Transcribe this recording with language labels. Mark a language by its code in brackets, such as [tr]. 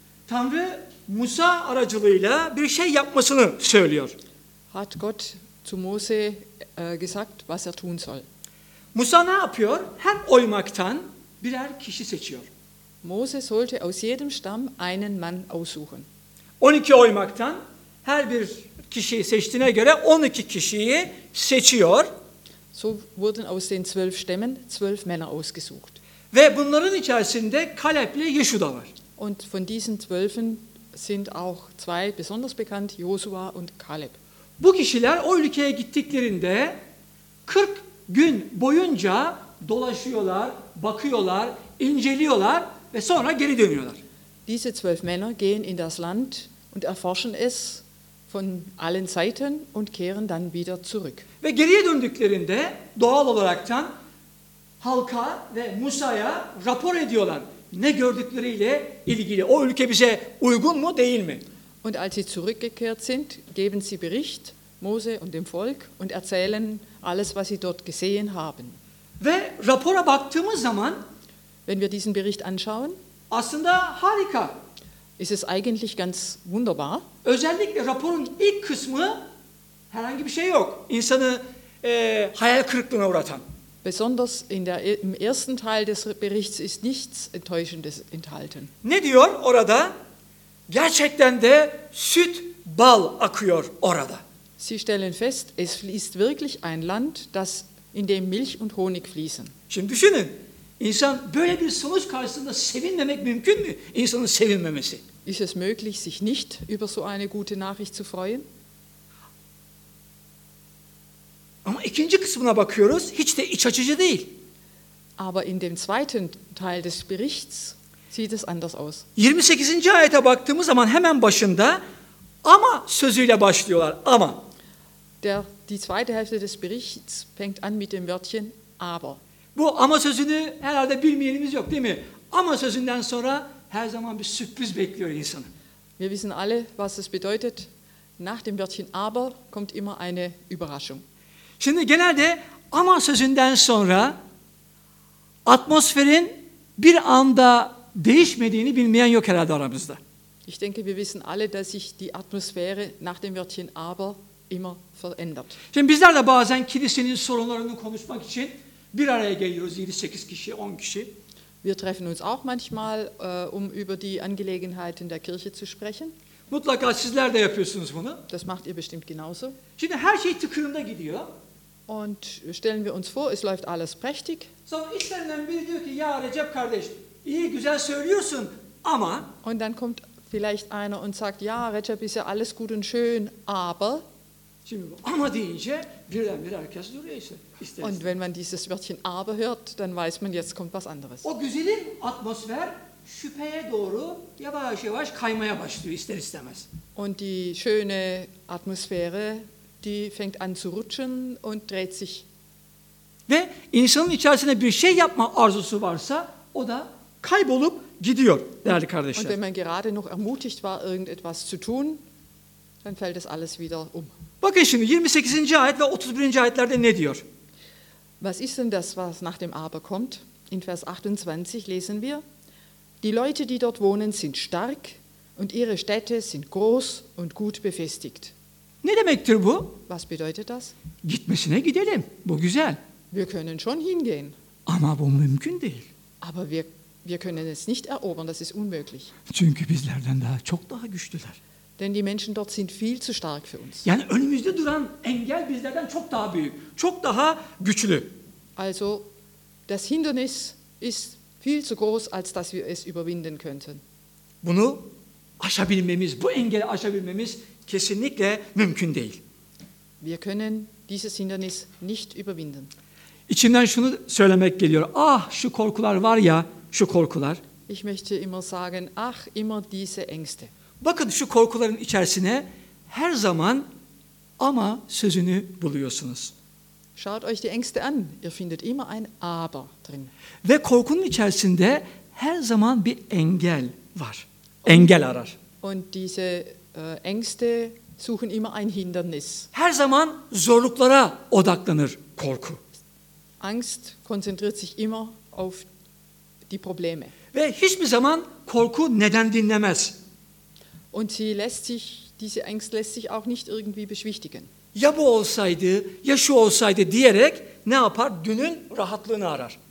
[tr] Tanrı Musa aracılığıyla bir şey yapmasını söylüyor. [de] Hat Gott zu Mose gesagt, was tun soll. [tr] Musa ne yapıyor? Her oymaktan birer kişi seçiyor. [de] Mose sollte aus jedem Stamm einen Mann aussuchen. [tr] 12 oymaktan her bir kişiyi seçtiğine göre 12 kişiyi seçiyor. [de] So wurden aus den 12 Stämmen 12 Männer ausgesucht. [tr] Ve bunların içerisinde Kalep'le Yeşuda var. [de] Und von diesen 12'en sind auch zwei besonders bekannt, Josua und Kaleb. [tr] Bu kişiler o ülkeye gittiklerinde 40 gün boyunca dolaşıyorlar, bakıyorlar, inceliyorlar ve sonra geri dönüyorlar. [de] Diese 12 Männer gehen in das Land und erforschen es von allen Seiten und kehren dann wieder zurück. [tr] Ve geriye döndüklerinde doğal olaraktan halka ve Musa'ya rapor ediyorlar. Ne gördükleriyle ilgili. O ülke bize uygun mu, değil mi? [de] Und als sie zurückgekehrt sind, geben sie Bericht Mose und dem Volk und erzählen alles, was sie dort gesehen haben. [tr] Ve rapora baktığımız zaman, [de] wenn wir diesen Bericht anschauen, [tr] aslında harika. [de] Ist es eigentlich ganz wunderbar. [tr] Özellikle raporun ilk kısmı herhangi bir şey yok. İnsanı hayal kırıklığına uğratan. [de] Besonders in der, im ersten Teil des Berichts ist nichts Enttäuschendes enthalten. [tr] Ne diyor orada? Gerçekten de süt bal akıyor orada. [de] Sie stellen fest, es fließt wirklich ein Land, das in dem Milch und Honig fließen. [tr] Şimdi düşünün, insan böyle bir sonuç karşısında sevinmemek mümkün mü? İnsanın sevinmemesi. [de] Ist es möglich, sich nicht über so eine gute Nachricht zu freuen? [tr] Ama ikinci kısmına bakıyoruz, hiç de iç açıcı değil. [de] Aber in dem zweiten Teil des Berichts sieht es anders aus. [tr] 28. ayete baktığımız zaman hemen başında ama sözüyle başlıyorlar, ama. [de] Die zweite Hälfte des Berichts fängt an mit dem Wörtchen aber. [tr] Bu ama sözünü herhalde bilmeyenimiz yok, değil mi? Ama sözünden sonra her zaman bir sürpriz bekliyor insanı. [de] Wir wissen alle, was es bedeutet. Nach dem Wörtchen aber kommt immer eine Überraschung. [tr] Şimdi genelde ama sözünden sonra atmosferin bir anda değişmediğini bilmeyen yok herhalde aramızda. [de] Ich denke, wir wissen alle, dass sich die Atmosphäre nach dem Wörtchen aber immer verändert. [tr] Şimdi bizler de bazen kilisenin sorunlarını konuşmak için bir araya geliyoruz, 7-8 kişi, 10 kişi. [de] Wir treffen uns auch manchmal, um über die Angelegenheiten der Kirche zu sprechen. [tr] Mutlaka sizler de yapıyorsunuz bunu. [de] Das macht ihr bestimmt genauso. [tr] Şimdi her şey tıkırında gidiyor. [de] Und stellen wir uns vor, es läuft alles prächtig. [tr] Sonra içlerinden biri diyor ki, ya Recep kardeş, iyi güzel söylüyorsun ama. [de] Und dann kommt vielleicht einer und sagt, ja Recep, ist ja alles gut und schön, aber. [tr] Şimdi ama deyince birdenbire herkes duruyor işte. İster. [de] Und wenn man dieses Wörtchen aber hört, dann weiß man, jetzt kommt was anderes. [tr] O güzelim atmosfer şüpheye doğru yavaş yavaş kaymaya başlıyor ister istemez. [de] Und die schöne Atmosphäre, die fängt an zu rutschen und dreht sich. [tr] Ve insanın içerisinde bir şey yapma arzusu varsa o da kaybolup gidiyor değerli kardeşler. [de] Und wenn man gerade noch ermutigt war, irgendetwas zu tun, dann fällt es alles wieder um. [tr] Bakın şimdi 28. ayet ve 31. ayetlerde ne diyor? [de] Was ist denn das, was nach dem Aber kommt? In Vers 28 lesen wir: Die Leute, die dort wohnen, sind stark und ihre Städte sind groß und gut befestigt. [tr] Ne demektir bu? [de] Was bedeutet das? [tr] Gitmesine gidelim. Bu güzel. [de] Wir können schon hingehen. [tr] Ama bu mümkün değil. [de] Aber wir können es nicht erobern, das ist unmöglich. [tr] Çünkü bizlerden daha çok daha güçlüler. [de] Denn die Menschen dort sind viel zu stark für uns. [tr] Yani önümüzde duran engel bizlerden çok daha büyük, çok daha güçlü. [de] Also das Hindernis ist viel zu groß, als dass wir es überwinden könnten. [tr] Bunu aşabilmemiz, bu engeli aşabilmemiz kesinlikle mümkün değil. [de] Wir können dieses Hindernis nicht überwinden. [tr] İçinden şunu söylemek geliyor. Ah şu korkular var ya, şu korkular. [de] Ich möchte immer sagen, ach immer diese Ängste. [tr] Bakın şu korkuların içerisine her zaman ama sözünü buluyorsunuz. [de] Schaut euch die Ängste an, ihr findet immer ein aber drin. [tr] Ve korkunun içerisinde her zaman bir engel var. Engel arar. [de] Und diese Ängste suchen immer ein Hindernis. [tr] Her zaman zorluklara odaklanır korku. [de] Angst konzentriert sich immer auf die Probleme. [tr] Ve hiçbir zaman korku neden dinlemez. [de] Und sie lässt sich, diese Angst lässt sich auch nicht irgendwie beschwichtigen. [tr] Ya bu olsaydı, ya şu olsaydı diyerek ne yapar? Günün rahatlığını arar.